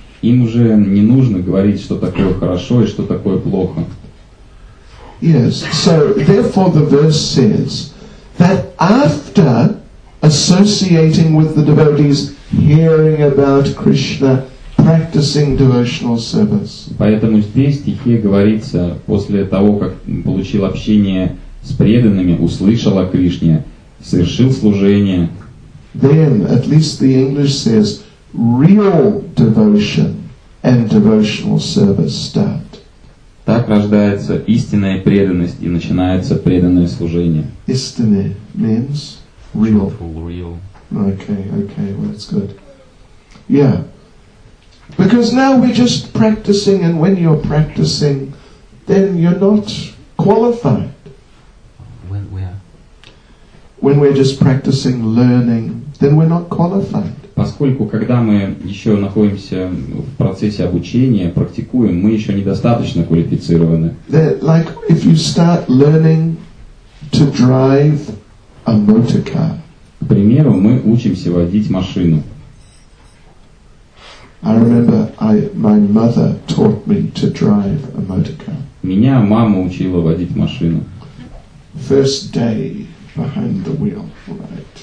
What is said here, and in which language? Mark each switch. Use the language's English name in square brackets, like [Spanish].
[Russian] Им уже не нужно говорить, что такое хорошо и что такое плохо. [English] Yes. So therefore the verse says that after associating with the devotees, hearing about Krishna, practicing devotional service. [Russian] Поэтому здесь в стихе говорится, после того, как получил общение с преданными, услышал о Кришне, совершил служение. [English] Then, at least the English says, real devotion and devotional service start. [Russian] Так рождается истинная преданность и начинается преданное служение. Истинное [English] means real. Truthful, real. Okay, well, that's good. Yeah. Because now we're just practicing, and when you're practicing, then you're not qualified. When we are? When we're just practicing, learning, then we're not qualified. [Russian] Поскольку, когда мы еще находимся в процессе обучения, практикуем, мы еще недостаточно квалифицированы. [English] That, like, if you start learning to drive a motor car. [Russian] К примеру, мы учимся водить машину. [English] I remember my mother taught me to drive a motor car. [Russian] Меня мама учила водить машину. [English] First day behind the wheel, right?